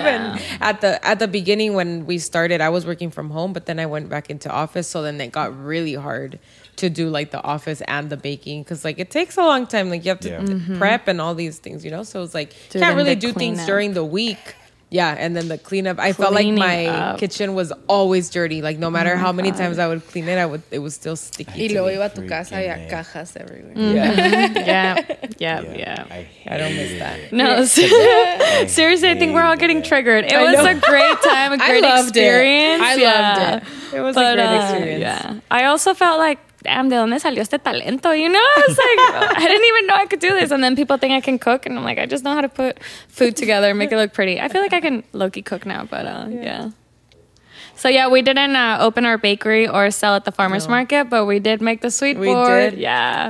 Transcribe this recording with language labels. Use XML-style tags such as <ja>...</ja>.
<en>Yeah. And at the beginning when we started, I was working from home, but then I went back into office. So then it got really hard to do like the office and the baking, because like it takes a long time. Like, you have to prep and all these things, you know? So it's like, you can't really do things during the week. Yeah, and then the cleanup. I felt like my kitchen was always dirty. Like, no matter how many times I would clean it, it was still sticky.</en> <es>Y luego iba a tu casa, había cajas</es> <en>everywhere. Yeah. I don't miss that. No, seriously, I think we're all getting triggered. It was a great time, a great experience. I loved it. It was a great experience. Yeah, I also felt like, damn,</en> <es>¿de dónde salió este talento?</es> <en>You know, I was like, I didn't even know I could do this. And then people think I can cook, and I'm like, I just know how to put food together and make it look pretty. I feel like I can low-key cook now, but yeah. So yeah, we didn't open our bakery or sell at the farmer's market, but we did make the sweet board. We did. Yeah.</en>